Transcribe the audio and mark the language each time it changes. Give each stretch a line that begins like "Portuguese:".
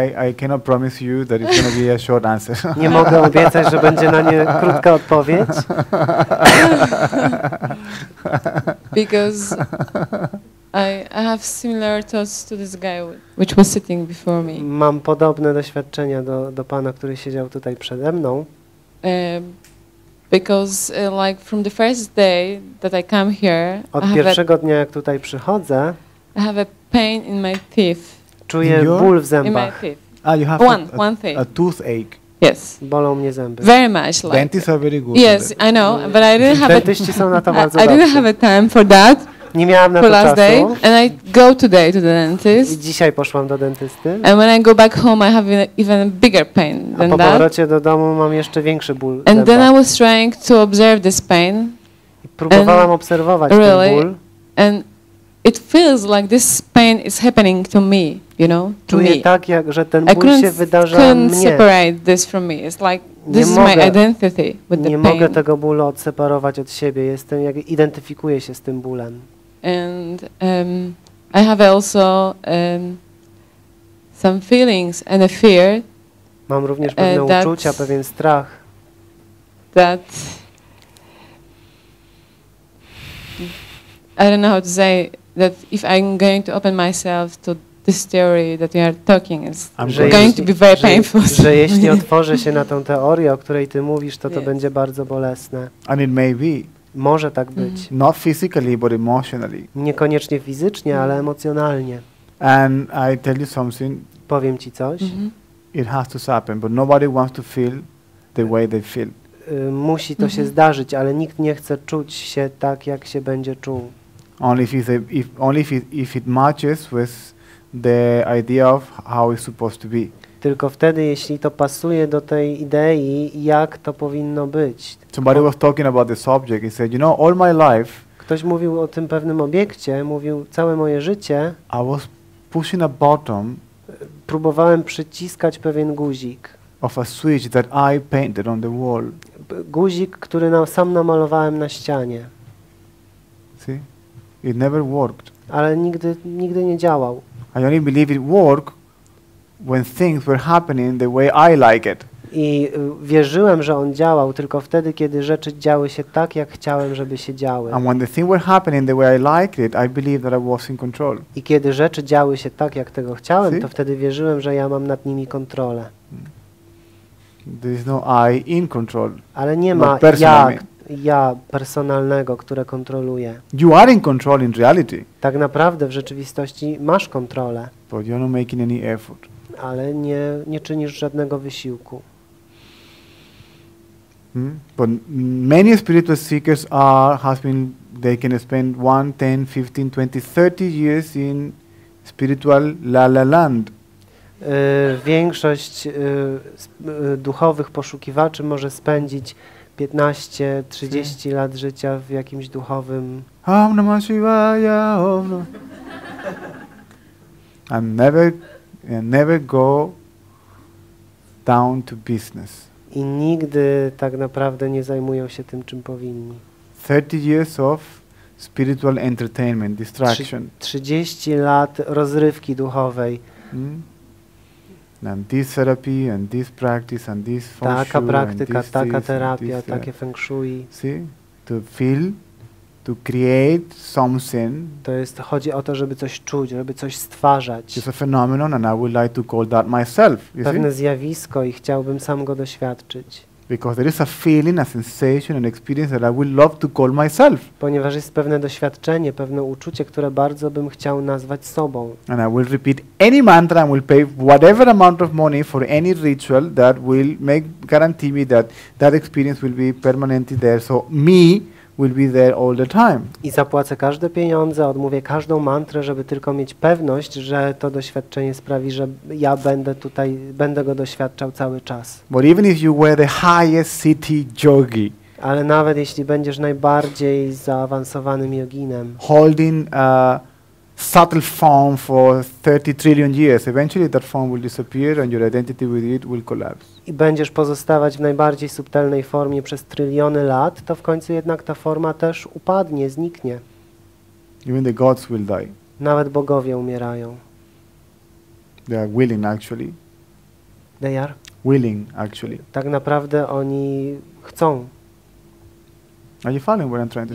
English: I cannot promise you that it's going to be a short answer.
Polish: Nie mogę obiecać, że będzie na nie krótka odpowiedź.
English: Because I have similar thoughts to this guy which was sitting before me.
Polish: Mam podobne doświadczenia do pana, który siedział tutaj przede mną.
English: Because like from the first day that I come here,
Polish: od pierwszego dnia jak tutaj przychodzę,
English: I have a pain in my teeth.
Polish: Czuję ból w zębach.
English: Ah, you have one thing. A toothache. Yes.
Polish: Bolą mnie zęby.
English: Very much like. Dentists are very good. Yes, I know, but I didn't have.
Polish: Dentyści są na to bardzo dobrzy.
English: I didn't have a time for that.
Polish: Nie miałam na to czasu.
English: Day, and I go today to the dentist.
Polish: I dzisiaj poszłam do dentysty.
English: And when I go back home, I have even bigger pain than that.
Polish: A po powrocie do domu mam jeszcze większy ból.
English: And then I was trying to observe this pain.
Polish: Próbowałam obserwować
English: really,
Polish: ten ból.
English: And it feels like this pain is happening to me, you know, to
Polish: czuję
English: me.
Polish: Tak, jak, że ten ból
English: couldn't,
Polish: się wydarza
English: couldn't
Polish: mnie.
English: Separate this from me. It's like this
Polish: nie
English: is
Polish: mogę,
English: my identity with the
Polish: nie
English: pain.
Polish: Mogę tego bólu odseparować od siebie. Jestem, jak identyfikuję się z tym bólem.
English: And I have also some feelings and a fear.
Polish: Mam również pewne uczucia, pewien strach.
English: That I don't know how to say that if I'm going to open myself to this theory that you are talking, it's going to be very painful.
Polish: Że jeśli otworzę się na tę teorię, o której ty mówisz, to to będzie bardzo bolesne.
English: And it may be.
Polish: Może tak być.
English: Not physically, but emotionally.
Polish: Niekoniecznie fizycznie, ale emocjonalnie.
English: And I tell you something.
Polish: Powiem ci coś.
English: It has to happen, but nobody wants to feel the way they feel.
Polish: Musi to się zdarzyć, ale nikt nie chce czuć się tak, jak się będzie czuł.
English: Only if, it matches with the idea of how it's supposed to be.
Polish: Tylko wtedy, jeśli to pasuje do tej idei, jak to powinno być.
English: Somebody was talking about this object. He said, you know, all my life.
Polish: Ktoś mówił o tym pewnym obiekcie, mówił całe moje życie.
English: I was pushing a button.
Polish: Próbowałem przyciskać pewien guzik.
English: Of a switch that I painted on the wall.
Polish: Guzik, który sam namalowałem na ścianie.
English: See? It never worked.
Polish: Ale nigdy nie działał.
English: I only believe it worked when things were happening the way I like it.
Polish: I wierzyłem, że on działał tylko wtedy, kiedy rzeczy działy się tak, jak chciałem, żeby się działy.
English: And when the thing were happening the way I liked it, I believed that I was in control.
Polish: I kiedy rzeczy działy się tak, jak tego chciałem, to wtedy wierzyłem, że ja mam nad nimi kontrolę.
English: There is no I in control.
Polish: Ale nie ma ja personalnego, które kontroluje.
English: You are in control in reality.
Polish: Tak naprawdę w rzeczywistości masz kontrolę.
English: But you're not making any effort.
Polish: Ale nie czynisz żadnego wysiłku.
English: But many spiritual seekers they can spend 1, 10, 15, 20, 30 years in spiritual la-la-land.
Polish: Większość duchowych poszukiwaczy może spędzić 15-30 lat życia w jakimś duchowym.
Sanskrit: Om Namah Shivaya, Om Namah.
English: And never go down to business.
Polish: I nigdy tak naprawdę nie zajmują się tym, czym powinni.
English: 30 years of spiritual entertainment, distraction.
Polish: 30 lat rozrywki duchowej.
English: And this therapy, and this practice, and this feng shui,
Polish: taka praktyka,
English: and this,
Polish: taka terapia,
English: and this,
Polish: takie feng shui.
English: See? To feel, to create something.
Polish: To jest, chodzi o to, żeby coś czuć, żeby coś stwarzać.
English: It's a phenomenon, and I would like to call that myself.
Polish: Pewne zjawisko i chciałbym sam go doświadczyć.
English: Because there is a feeling, a sensation, an experience that I would love to call myself.
Polish: Ponieważ jest pewne doświadczenie, pewne uczucie, które bardzo bym chciał nazwać sobą.
English: And I will repeat any mantra and will pay whatever amount of money for any ritual that will make guarantee me that that experience will be permanently there, so me will be there all the time.
Polish: I zapłacę każde pieniądze, odmówię każdą mantrę, żeby tylko mieć pewność, że to doświadczenie sprawi, że ja będę tutaj, będę go doświadczał cały czas.
English: But even if you were the highest city yogi,
Polish: ale nawet jeśli będziesz najbardziej zaawansowanym joginem,
English: holding a subtle form for 30 trillion years, eventually that form will disappear and your identity with it will collapse.
Polish: I będziesz pozostawać w najbardziej subtelnej formie przez tryliony lat, to w końcu jednak ta forma też upadnie, zniknie.
English: Even the gods will die.
Polish: Nawet bogowie umierają.
English: They are willing, actually. They are? Willing, actually.
Polish: Tak naprawdę oni chcą.
English: Are you following what I'm trying to